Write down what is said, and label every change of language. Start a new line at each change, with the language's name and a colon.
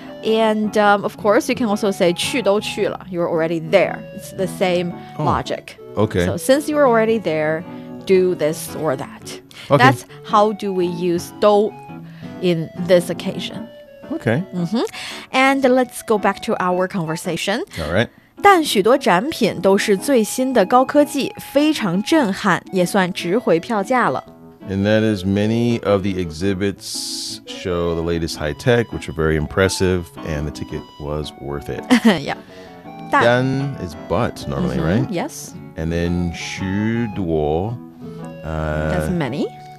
English: And of course, you can also say
Chinese: 去都去了,
English: you're already there. It's the same logic. Okay. So since you're already there, do this or that. Okay. That's how do we use 都 in this occasion. Okay. And let's go back to our conversation. All right.
Chinese: 但许多展品都是最新的高科技，非常震撼，也算值回票价了。
English: And that is many of the exhibits show the latest high tech, which are very impressive, and the ticket was worth it. Yeah. 但 is but normally, right? Yes. And then 许多. That's many.